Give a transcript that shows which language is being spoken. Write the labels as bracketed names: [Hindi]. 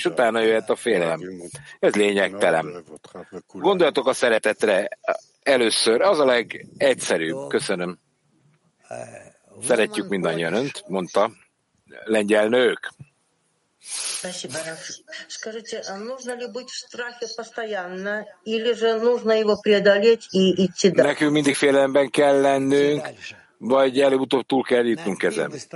[Hungarian] És utána jöhet a félelem. Ez lényegtelen. Gondoljatok a szeretetre először. Az a legegyszerűbb. Köszönöm. Szeretjük mindannyian önt, mondta lengyel nők. [Russian] Спасибо. Скажите, нужно ли быть в страхе постоянно или же нужно его преодолеть и идти дальше? [Hungarian] Nekünk mindig félelemben kell lennünk, vagy előbb-utóbb túl kell jutnunk ezen.